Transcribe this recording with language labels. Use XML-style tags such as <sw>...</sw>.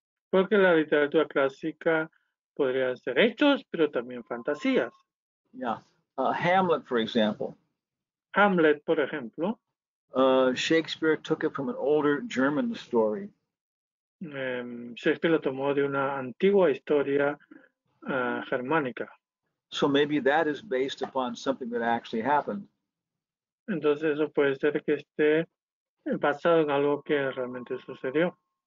<es>Porque la literatura clásica podría ser hechos, pero también fantasías.</es> <en>Hamlet, for example.</en> <es>Hamlet, por ejemplo.</es> <en>Shakespeare took it from an older German story.</en> <es>Shakespeare lo tomó de una antigua historia germánica.</es> <en>So maybe that is based upon something that actually happened.</en> <es>Entonces eso puede ser que esté basado en algo que realmente sucedió.</es>